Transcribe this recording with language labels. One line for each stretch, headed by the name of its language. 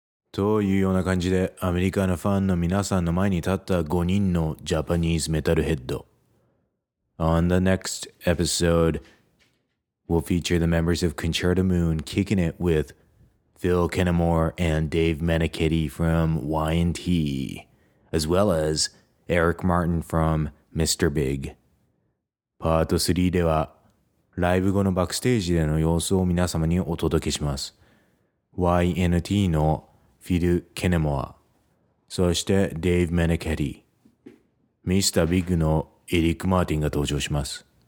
Japanese: というような感じでアメリカのファンの皆さんの前に立った5人のジャパニーズメタルヘッド。
English: On the next episode we'll feature the members of Concerto Moon kicking it with Phil Kennemore and Dave Menichetti from Y&T as well as Eric Martin from Mr. Big.
Japanese: パート3ではライブ後のバックステージでの様子を皆様にお届けします。 Y&T のフィル・ケネモア、そしてデイヴ・メネケリ、ミスター・ビッグのエリック・マーティンが登場します。